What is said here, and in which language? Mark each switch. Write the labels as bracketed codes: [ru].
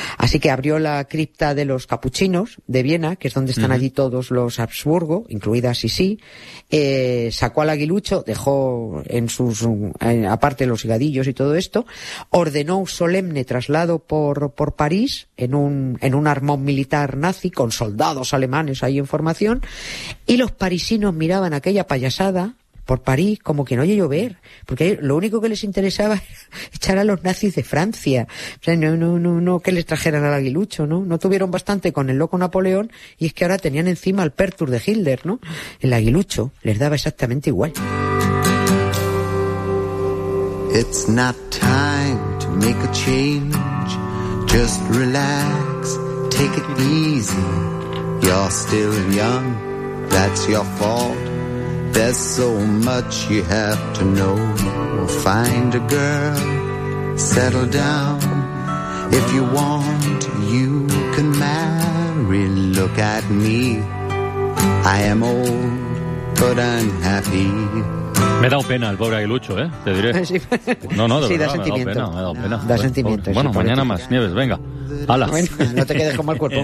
[es] Así que abrió la cripta de los capuchinos de Viena, que es donde están allí todos los Habsburgo, incluida Sisi, sacó al aguilucho, dejó en sus aparte los higadillos y todo esto, ordenó un solemne traslado por París en un armón militar nazi con soldados alemanes ahí en formación, y los parisinos miraban aquella payasada por París como quien oye llover, porque lo único que les interesaba era echar a los nazis de Francia. O sea, no que les trajeran al aguilucho, ¿no? No tuvieron bastante con el loco Napoleón, y es que ahora tenían encima al pertur de Hitler, ¿no? El aguilucho les daba exactamente igual. [en] It's not time to make a change. Just relax, take it easy. You're still young, that's your fault. There's so much you have to know. Find a girl, settle down. If you want, you can marry. Look at me, I am old, but I'm happy. [es] Me ha dado pena el pobre aguilucho, ¿eh? Te diré. Sí. No, de sí, verdad, da sentimiento. Me ha dado pena. Da sentimiento. Bueno, sí, mañana más, Nieves, venga. ¡Hala! Bueno, no te quedes con mal cuerpo.